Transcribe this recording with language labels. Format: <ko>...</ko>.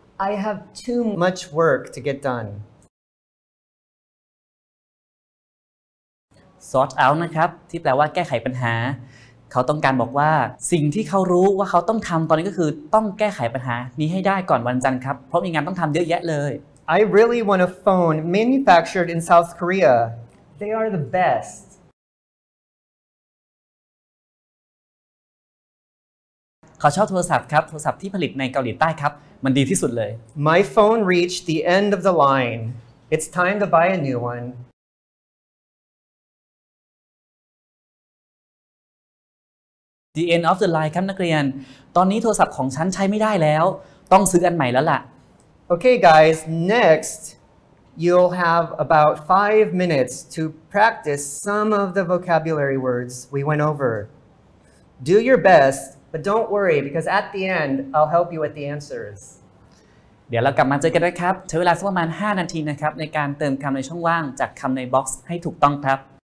<en>I have too much work to get done. Sort out</en> <th>นะครับที่แปลว่าแก้ไขปัญหาเขาต้องการบอกว่าสิ่งที่เขารู้ว่าเขาต้องทำตอนนี้ก็คือต้องแก้ไขปัญหานี้ให้ได้ก่อนวันจันทร์ครับเพราะมีงานต้องทำเยอะแยะเลย</th> <en>I really want a phone manufactured in South Korea. They are the best.</en> <th>เขาชอบโทรศัพท์ครับโทรศัพท์ที่ผลิตในเกาหลีใต้ครับมันดีที่สุดเลย</th> <en>My phone reached the end of the line. It's time to buy a new one. The end of the line</en> <th>ครับนักเรียนตอนนี้โทรศัพท์ของฉันใช้ไม่ได้แล้วต้องซื้ออันใหม่แล้วล่ะ</th> <en>Okay guys next you'll have about 5 minutes to practice some of the vocabulary words we went over Do your best but don't worry because at the end I'll help you with the answers</en> <th>เดี๋ยวเรากลับมาเจอกันนะครับใช้เวลาสักประมาณ5นาทีนะครับในการเติมคำในช่องว่างจากคำในบ็อกซ์ให้ถูกต้องครับ</th>